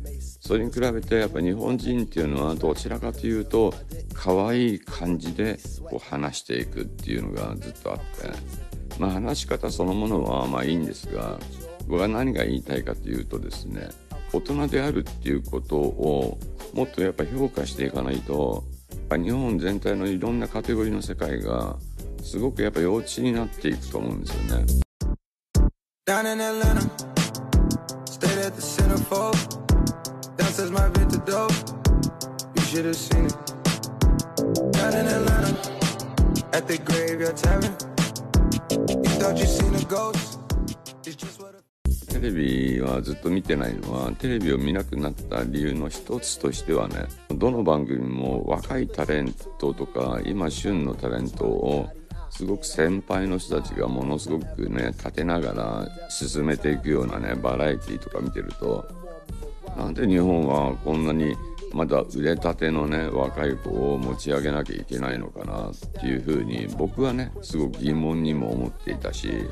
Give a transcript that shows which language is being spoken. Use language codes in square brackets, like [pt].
[ja] それに比べてやっぱ日本人っていうのはどちらかというと可愛い感じでこう話していくっていうのがずっとあって、まあ話し方そのものはまあいいんですが、僕は何が言いたいかというとですね、大人であるっていうことをもっとやっぱ評価していかないと、日本全体のいろんなカテゴリーの世界がすごくやっぱ幼稚になっていくと思うんですよね。 [en] Down in Atlanta, stayed at the centerfold. Downstairs my vintage dope. You should have seen it. Down in Atlanta, at the graveyard tavern. You thought you seen a ghost. It's just what a... [ja] テレビはずっと見てないのは、テレビを見なくなった理由の一つとしてはね、どの番組も若いタレントとか今旬のタレントをすごく先輩の人たちがものすごくね立てながら進めていくようなねバラエティとか見てると、なんで日本はこんなにまだ売れたてのね若い子を持ち上げなきゃいけないのかなっていうふうに僕はねすごく疑問にも思っていたし、